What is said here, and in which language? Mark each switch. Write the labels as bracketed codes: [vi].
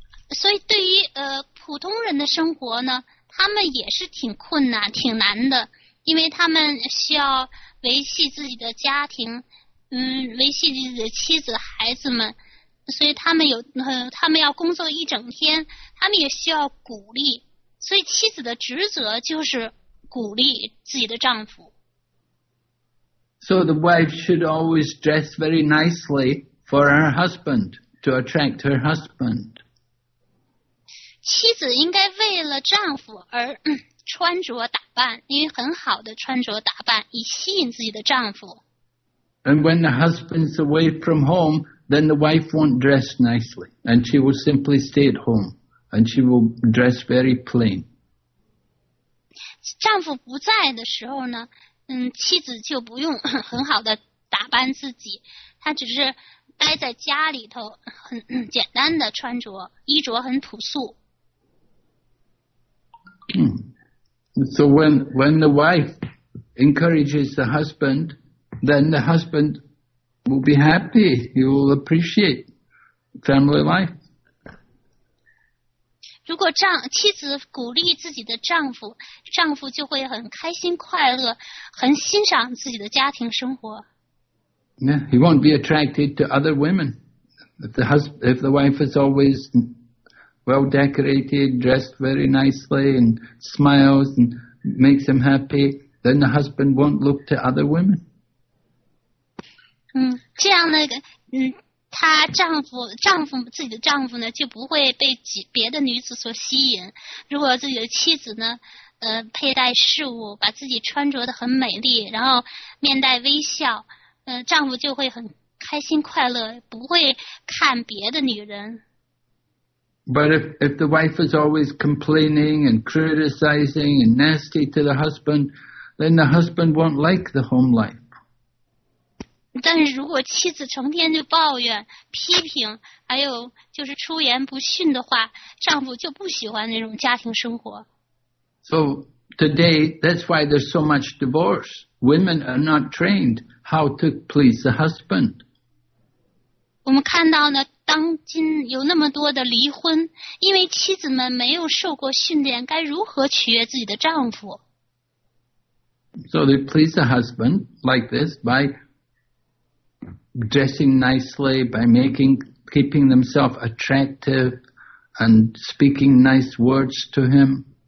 [zh] 所以对于普通人的生活呢，他们也是挺困难、挺难的，因为他们需要维系自己的家庭，维系自己的妻子、孩子们，所以他们他们要工作一整天，他们也需要鼓励，所以妻子的职责就是鼓励自己的丈夫。 [en] So the wife should always dress very nicely. For her husband, to attract her husband. [zh] 妻子应该为了丈夫而穿着打扮，因为很好的穿着打扮以吸引自己的丈夫。 [en] And when the husband's away from home, then the wife won't dress nicely, and she will simply stay at home, and she will dress very plain. [zh] 丈夫不在的时候呢，妻子就不用很好的打扮自己，他只是待在家里头，很简单的穿着，衣着很朴素。 [en] So when the wife encourages the husband, then the husband will be happy. He will appreciate family life. [zh] 如果妻子鼓励自己的丈夫，丈夫就会很开心快乐，很欣赏自己的家庭生活。 [en] Yeah, he won't be attracted to other women. If the wife is always well decorated, dressed very nicely, and smiles and makes him happy, then the husband won't look to other women. [zh] 这样呢，他丈夫自己的丈夫呢，就不会被别的女子所吸引。如果自己的妻子呢，佩戴饰物，把自己穿着得很美丽，然后面带微笑。丈夫就会很开心快乐，不会看别的女人。 [en] But if the wife is always complaining and criticizing and nasty to the husband, then the husband won't like the home life. [zh] 但是如果妻子成天就抱怨、批评，还有就是出言不逊的话，丈夫就不喜欢那种家庭生活。 [en] So today, that's why there's so much divorce. Women are not trained. How to please the husband? [zh] 我们看到呢，当今有那么多的离婚，因为妻子们没有受过训练，该如何取悦自己的丈夫？ [en] So they please the husband like this by dressing nicely, by keeping themselves attractive, and speaking nice words to him.